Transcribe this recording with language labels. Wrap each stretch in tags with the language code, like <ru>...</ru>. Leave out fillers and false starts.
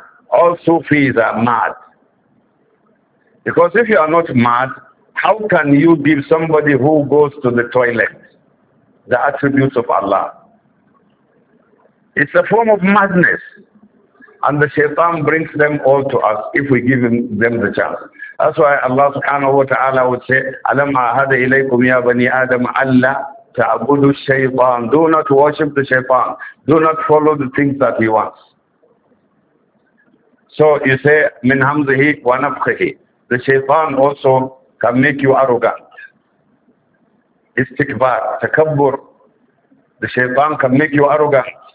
<en>All Sufis are mad. Because if you are not mad, how can you give somebody who goes to the toilet the attributes of Allah? It's a form of madness. And the shaitan brings them all to us if we give them the chance. That's why Allah subhanahu wa ta'ala would say,</en> <ar>أَلَمْ أَعْهَدَ إِلَيْكُمْ يَا بَنِي آدَمَ أَلَّا تَعْبُدُ الشَّيْطَانِ.</ar> <en>Do not worship the shaitan. Do not follow the things that he wants. So you say,</en> <ar>مِنْ هَمْزِهِ وَنَفْخِهِ.</ar> <en>The shaitan also can make you arrogant. Istikbar, takabbur. The shaitan can make you arrogant.</en>